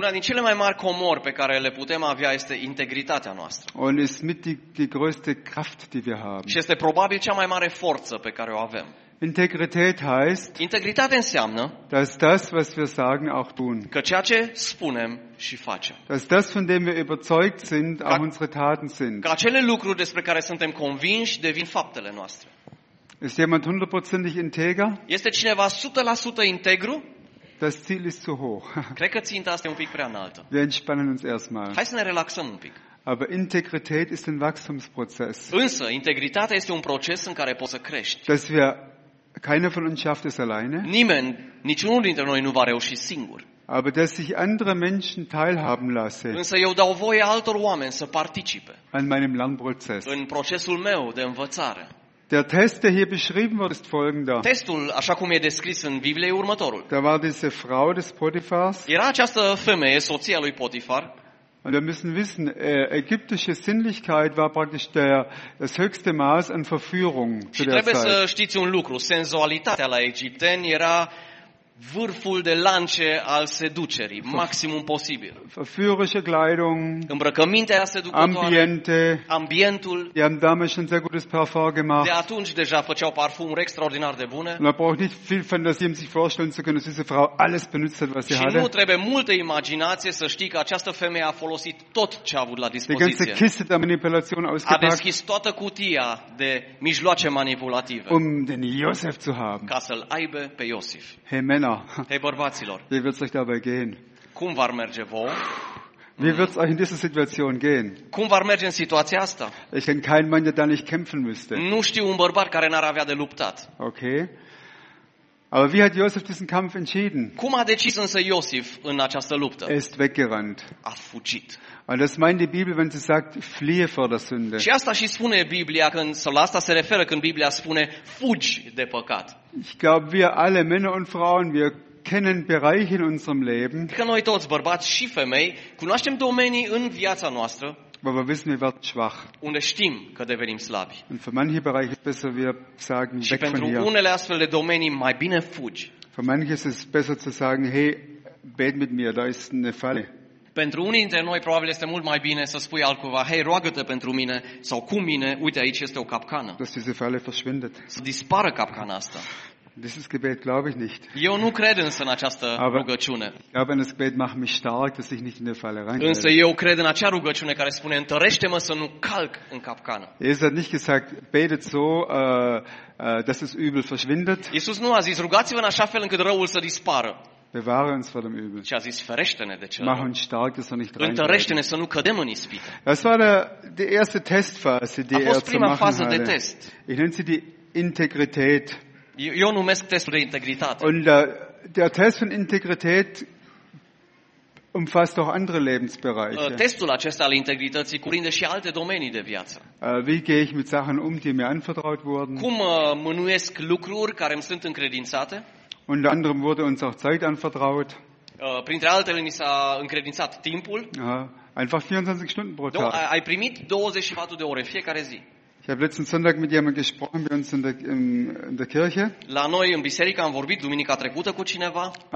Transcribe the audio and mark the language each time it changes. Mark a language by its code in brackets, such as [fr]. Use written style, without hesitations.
[ro] Una din cele mai mari comori pe care le putem avea este integritatea noastră. [de] Und ist mit die größte Kraft, die wir haben. [ro] Și este probabil cea mai mare forță pe care o avem. [de] Integrität heißt. [ro] Integritate înseamnă. [de] Dass das, was wir sagen, auch tun. [ro] Că ceea ce spunem și facem. [de] Dass das, von dem wir überzeugt sind, auch unsere Taten sind. [ro] Că acele lucruri despre care suntem convinși devin faptele noastre. [de] Ist jemand hundertprozentig integer? [ro] Este cineva 100% integru? [de] Das Ziel ist zu hoch. [ro] Cred că ținta asta e un pic prea înaltă. [de] Wir entspannen uns erstmal. [ro] Hai să ne relaxăm un pic. [de] Aber Integrität ist ein Wachstumsprozess. [ro] Însă, integritatea este un proces în care poți să crești. [de] Dass wir keiner von uns schafft es alleine. [ro] Nimeni, niciunul dintre noi nu va reuși singur. [de] Aber dass sich andere Menschen teilhaben lasse. [ro] Însă eu dau voie altor oameni să participe. [de] An meinem Lernprozess. [ro] În procesul meu de învățare. [de] Der Test, der hier beschrieben wird, ist folgender. [ro] Testul, așa cum e descris în Biblie, e următorul. [de] Da war diese Frau des Potiphars. [ro] Era această femeie, soția lui Potifar. [de] Und wir müssen wissen, ägyptische Sinnlichkeit war praktisch das höchste Maß an Verführung zu der Zeit. [ro] Trebuie să știți un lucru, senzualitatea la egipteni era vârful de lance al seducerii, maximum posibil. [de] Verführerische Kleidung, [ro] îmbrăcămintea seducătoare, [de] ambiente, [ro] ambientul. [de] Die haben damals schon sehr gutes Parfum gemacht. [ro] De atunci deja făceau parfumuri extraordinar de bune. [de] Man braucht nicht viel Fantasie, um sich vorstellen zu können, dass diese Frau alles benutzt hat, was sie hatte. [ro] Și nu trebuie multă imaginație să știi că această femeie a folosit tot ce a avut la dispoziție. [de] Die ganze Kiste der Manipulation ausgepackt. [ro] A deschis toată cutia de mijloace manipulative. [de] Um den Josef zu haben. [ro] Ca să-l aibă pe Iosif. [de] Hey, [ro] bărbaților. [de] Wie wird's euch dabei gehen? [ro] Cum v-ar merge vouă? [de] Wie wird's euch in dieser Situation gehen? [ro] Cum v-ar merge în situația asta? [de] Ich kenne keinen Mann, der da nicht kämpfen müsste. [ro] Nu știu un bărbat care n-ar avea de luptat. [de] Okay. Aber wie hat Josef diesen Kampf entschieden? [ro] Cum a decis însă Iosif în această luptă? [de] Er ist weggerannt. [ro] A fugit. [de] Und das meint die Bibel, wenn sie sagt, fliehe vor der Sünde. [ro] Și asta și spune Biblia când, sau la asta se referă când Biblia spune, fugi de păcat. [de] Ich glaube, wir alle Männer und Frauen, wir kennen Bereiche in unserem Leben. [ro] Că noi toți, bărbați și femei, cunoaștem domenii în viața noastră. [de] Aber wir wissen, wir werden schwach. [ro] Unde știm că devenim slabi. [de] Und für manche Bereiche ist besser, wir sagen, weg von hier. [ro] Și pentru unele astfel de domenii, mai bine fugi. [de] Für manche ist es besser zu sagen, hey, bet mit mir, da ist eine Falle. [ro] Pentru unii dintre noi probabil este mult mai bine să spui altcuva, hei, roagă-te pentru mine sau cu mine, uite aici este o capcană. [de] Dass diese Falle verschwindet. [ro] Să dispară capcana asta. [de] Dieses Gebet glaube ich nicht. [ro] Eu nu cred însă în această [de] Aber [ro] rugăciune. [de] Aber das Gebet macht mich stark, dass ich nicht in der Falle reingehe. [ro] Însă eu cred în acea rugăciune care spune întărește-mă să nu calc în capcană. [de] Jesus hat nicht gesagt, betet so, dass das Übel verschwindet. [ro] Iisus nu a zis, rugați-vă în așa fel încât răul să dispară. [de] Bewahre uns vor dem Übel. [ro] Și a zis, ferește-ne de cel. [de] Mach uns stark, dass wir nicht reingehen. [ro] Întărește-ne să nu cădem în ispită. [de] Das war die erste Testphase, die er zu machen hatte. [ro] De test. [de] Ich nenne sie die Integrität. [ro] Eu numesc testul de integritate. [de] Und der Test von Integrität umfasst auch andere Lebensbereiche. [ro] Testul acesta al integrității cuprinde și alte domenii de viață. [de] Wie gehe ich mit Sachen um, die mir anvertraut wurden? [ro] Cum mânuiesc lucruri care îmi sunt încredințate? [de] Unter anderem wurde uns auch Zeit anvertraut. [ro] Printre altele ni s-a încredințat timpul. [de] Einfach 24 Stunden pro Tag. [ro] Ai primit 24 de ore fiecare zi. [de] Ich habe letzten Sonntag mit jemandem gesprochen, bei uns in der Kirche. [ro] La noi în biserică am vorbit duminica trecută cu cineva.